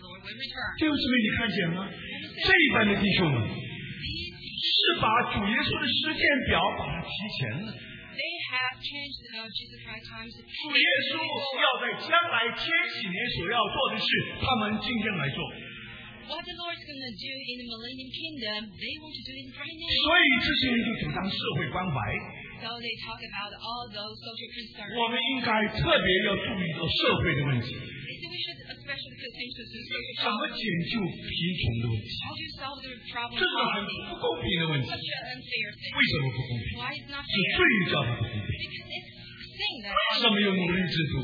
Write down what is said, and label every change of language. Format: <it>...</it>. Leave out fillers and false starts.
<zh>弟兄姊妹，你看见吗？这一班的弟兄们是把主耶稣的时间表把它提前了。主耶稣要在将来千禧年所要做的事，他们今天来做。</zh> <en>what the Lord is going to do in the millennium kingdom, they want to do it right now.</en> <zh>所以这些人就主张社会关怀。</zh> <en>So they talk about all those social concerns.</en> <zh>我们应该特别要注意到社会的问题。怎么解救贫穷的问题？这是很不公平的问题。为什么不公平？是罪叫他不公平。为什么有奴隶制度？</zh>